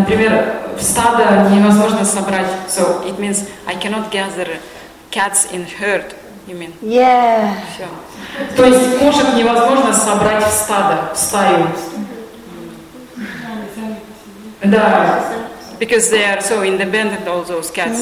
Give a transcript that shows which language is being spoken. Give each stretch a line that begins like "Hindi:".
Russian: Например, в стадо невозможно собрать.
English: So it means I cannot gather cats in herd, you mean? Yeah.
Russian: То есть кошек невозможно собрать в стадо, в стаю. Да.
English: Because they are so independent, all those cats.